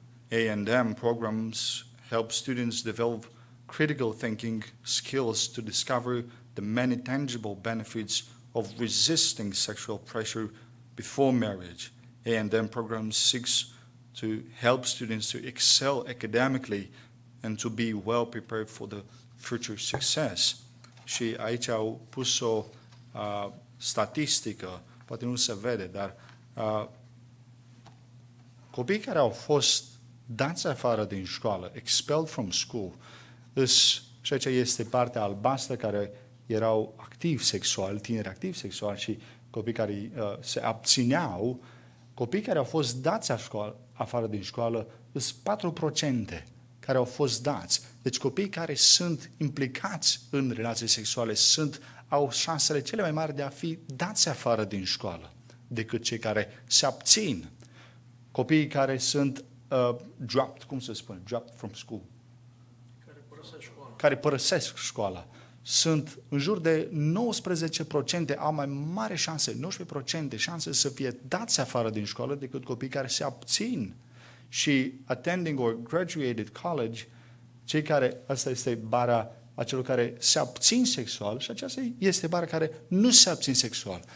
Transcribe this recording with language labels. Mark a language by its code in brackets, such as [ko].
[en] A&M programs help students develop critical thinking skills to discover the many tangible benefits of resisting sexual pressure before marriage. A&M programs seek to help students to excel academically and to be well prepared for the future success. [ro] Și aici au pus o statistică. Poate nu se vede, dar copiii care au fost dați afară din școală, [en] expelled from school, [ro] și aici este partea albastră care erau activi sexual, tineri activi sexual și copii care se abțineau, copiii care au fost dați afară din școală, sunt 4% care au fost dați. Deci copiii care sunt implicați în relații sexuale sunt au șansele cele mai mari de a fi dați afară din școală decât cei care se abțin. Copiii care sunt [en] dropped from school, [ro] care părăsesc școala, sunt în jur de 19%, au mai mari șanse, 19% șanse să fie dați afară din școală decât copiii care se abțin. Și [en] attending or graduated college, [ro] cei care, asta este bara acelor care se abțin sexual și aceasta este bara care nu se abțin sexual.